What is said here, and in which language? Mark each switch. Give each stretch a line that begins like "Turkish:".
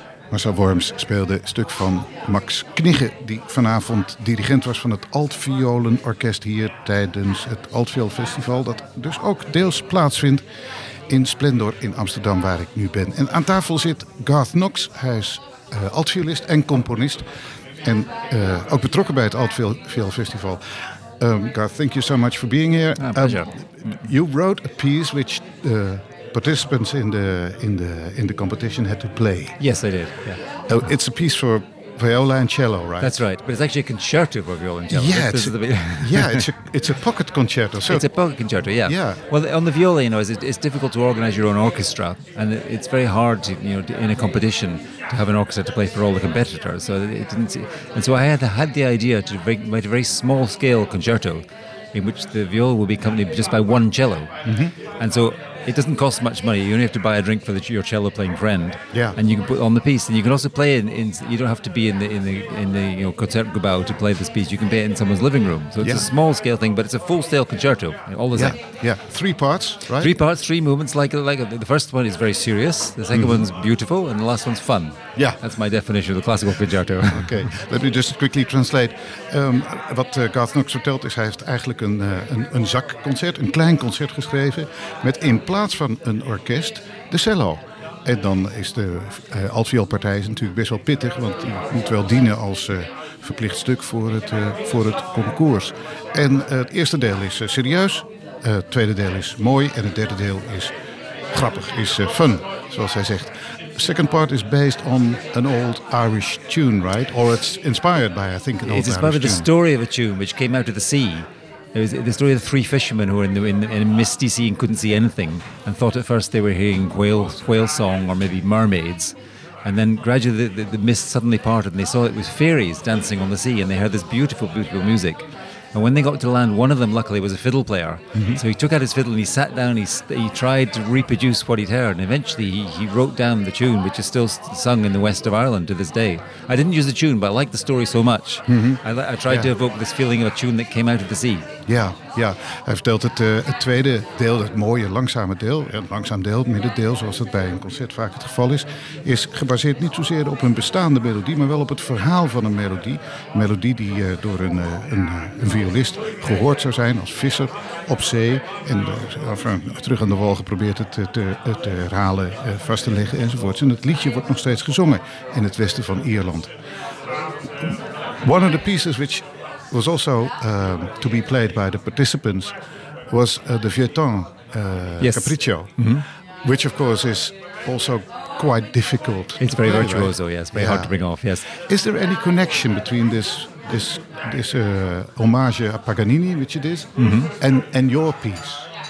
Dutch: Marcel Worms speelde een stuk van Max Knigge, die vanavond dirigent was van het Altviolenorkest hier tijdens het Altvioolfestival, dat dus ook deels plaatsvindt in Splendor in Amsterdam, waar ik nu ben. En aan tafel zit Garth Knox, hij is altviolist en componist en ook betrokken bij het Altviolenfestival.
English: Garth, thank you so much for being here. You wrote a piece which participants in the competition had to play. Yes, they did. Yeah. It's a piece for viola and cello, right? That's right. But it's actually a concerto for viola and cello. Yeah, it's a pocket concerto. So it's a pocket concerto. Yeah. Yeah. Well, on the viola, you know, it's difficult to organize your own orchestra, and it's very hard, to, you know, in a competition to have an orchestra to play for all the competitors. So it didn't. And so I had the idea to write a very small scale concerto, in which the viola will be accompanied just by one cello, and so. It doesn't cost much money. You only have to buy a drink for your cello playing friend, and you can put on the piece. And you can also play in. You don't have to be in the you know, Concertgebouw to play this piece. You can play it in someone's living room. So it's a small scale thing, but it's a full scale concerto. All the same. Yeah, three parts, right? Three parts, three movements. Like the first one is very serious. The second one's beautiful, and the last one's fun. Yeah, that's my definition of the classical concerto. Okay, let me just quickly translate.
Dutch: Wat Garth Knox vertelt is, hij heeft eigenlijk een zakconcert, een klein concert geschreven met in plaats van een orkest, de cello. En dan is de altvioolpartij natuurlijk best wel pittig, want die moet wel dienen als verplicht stuk voor het concours. En het eerste deel is serieus, het tweede deel is mooi en het derde deel is grappig, is fun, zoals hij zegt.
English: Second part is based on an old Irish tune, right? Or it's inspired by, I think, an old Irish tune. It's inspired by the story of a tune which came out of the sea. It was the story of the three fishermen who were in a misty sea and couldn't see anything, and thought at first they were hearing whale song or maybe mermaids, and then gradually the mist suddenly parted and they saw it was fairies dancing on the sea, and they heard this beautiful, beautiful music. And when they got to land, one of them luckily was a fiddle player, so he took out his fiddle and he sat down. He tried to reproduce what he'd heard, and eventually he wrote down the tune, which is still sung in the west of Ireland to this day. I didn't use the tune, but I like the story so much. I tried to evoke this feeling of a tune that came out of the sea. Yeah, yeah.
Dutch: Hij vertelt het tweede deel, het mooie langzame deel, het langzaam deel, het middendeel, zoals dat bij een concert vaak het geval is gebaseerd niet zozeer op een bestaande melodie, maar wel op het verhaal van een melodie. Een melodie die door een violist gehoord zou zijn als visser op zee en terug aan de wal geprobeerd het te herhalen, vast te leggen enzovoorts. En het liedje wordt nog steeds gezongen in het westen van Ierland.
English: One of the pieces which was also to be played by the participants was the Vieuxtemps Capriccio, which of course is also quite difficult. It's very virtuoso, yes, very hard to bring off, yes. Is there any connection between this homage a Paganini, which it is, and your piece?